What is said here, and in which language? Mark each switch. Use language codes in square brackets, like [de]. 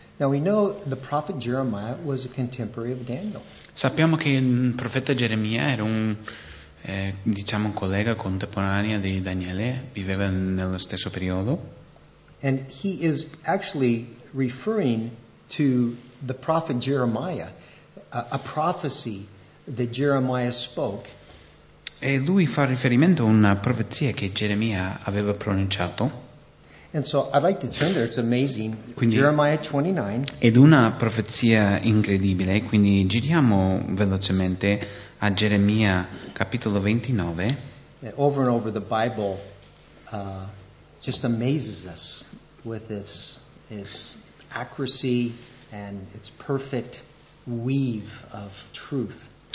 [en] Now we know the prophet Jeremiah was a contemporary of Daniel. [it] Sappiamo che il profeta Geremia era un diciamo un collega contemporaneo di Daniele, viveva nello stesso periodo. [en] And he is actually referring to the prophet Jeremiah, a prophecy that Jeremiah spoke. [it] E lui fa riferimento a una profezia che Geremia aveva pronunciato. [en] And so I'd like to turn there, it's amazing. [it] Quindi, [en] Jeremiah 29. [it] Ed una profezia incredibile, quindi giriamo velocemente a Geremia capitolo 29. [en] Over and over the Bible just amazes us with its accuracy and its perfect weave of truth.